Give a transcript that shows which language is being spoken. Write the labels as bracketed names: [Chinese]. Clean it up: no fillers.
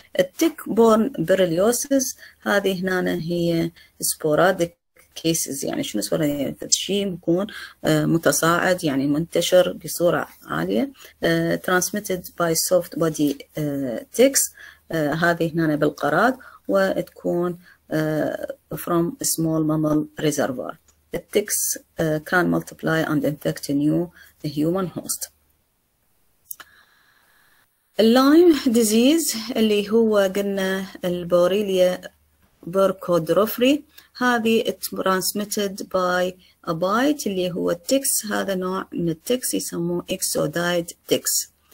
[Arabic] التيك بورن بريليوسيس هذه هنا هي سبورادك كيسز، يعني شنو سبورادك؟ يعني شيء يكون متصاعد يعني منتشر بصوره عاليه. ترانسميتد باي سوفت بودي تيكس، هذه هنا بالقراد، وتكون [English] from small mammal reservoir. The ticks can multiply and infect a new human host. [Arabic] Lyme disease اللي هو قلنا البوريليا بيركودروفري، هذه [English] transmitted by a bite [Arabic] اللي هو ticks، هذا نوع من التكس يسموه exodied ticks.